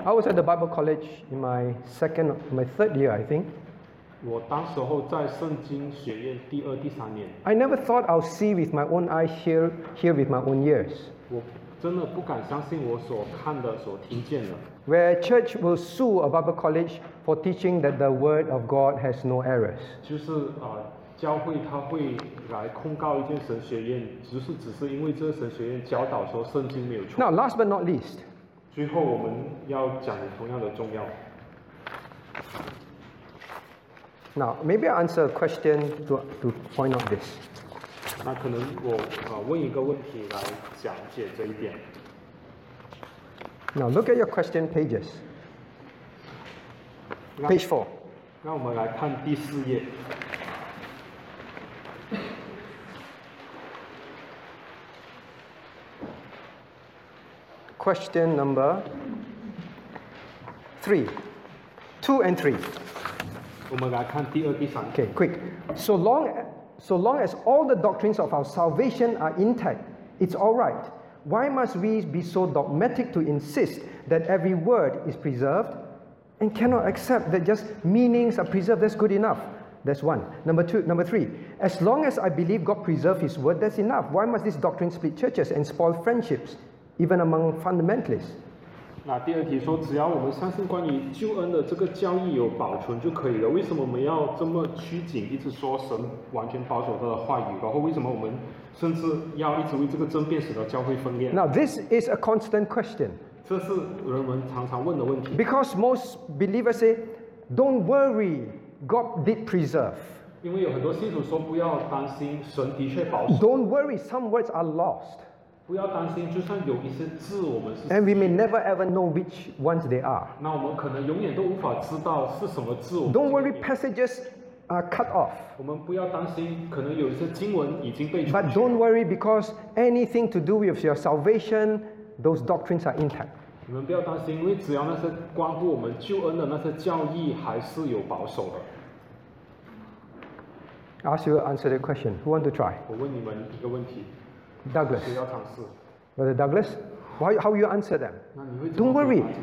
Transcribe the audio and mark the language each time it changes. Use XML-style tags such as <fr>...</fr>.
<en>I was at the Bible College in my second, my third year, I think.</en> <zh>我当时候在圣经学院第二、第三年。</zh> <en>I never thought I'll see with my own eyes, hear with my own ears.</en> <zh>我真的不敢相信我所看的、所听见的。</zh> <en>Where church will sue a Bible college for teaching that the word of God has no errors.</en> <zh>就是教会他会来控告一间神学院，只是因为这个神学院教导说圣经没有错。</zh> <en>Now, last but not least.</en> <zh>最后我们要讲的同样的重要。</zh> <en>Now, maybe I answer a question to point out this.</en> <zh>那可能我问一个问题来讲解这一点。</zh> <en>Now look at your question pages. Page 4.</en> <zh>让我们来看第四页。</zh> <en>Question number 3. 2 and 3.</en> <zh>我们来看第二、第三。</zh> <en>Okay, quick. So long as all the doctrines of our salvation are intact, it's all right. Why must we be so dogmatic to insist that every word is preserved and cannot accept that just meanings are preserved? That's good enough. That's one. Number two, number three. As long as I believe God preserved His word, that's enough. Why must this doctrine split churches and spoil friendships, even among fundamentalists?</en> <zh>那第二题说，只要我们相信关于救恩的这个教义有保存就可以了，为什么我们要这么拘谨，一直说神完全保守他的话语，然后为什么我们甚至要一直为这个争辩使得教会分裂。</zh> <en>Now this is a constant question.</en> <zh>这是人们常常问的问题。</zh> <en>Because most believers say, don't worry, God did preserve.</en> <zh>因为有很多信徒说不要担心，神的确保守。</zh> <en>Don't worry, some words are lost.</en> <zh>不要担心，就算有一些字我们是。</zh> <en>And we may never ever know which ones they are.</en> <zh>那我们可能永远都无法知道是什么字。</zh> <en>Don't worry, passages. Cut off.</en> <zh>我们不要担心，可能有一些经文已经被除去。</zh> <en>But don't worry, because anything to do with your salvation, those doctrines are intact.</en> <zh>你们不要担心，因为只要那些关乎我们救恩的那些教义还是有保守的。</zh> <en>Ask you answer the question. Who want to try?</en> <zh>我问你们一个问题。</zh> <en>Douglas.</en> <zh>谁要尝试</zh> <en>？Brother Douglas, how you answer them? Don't worry.</en>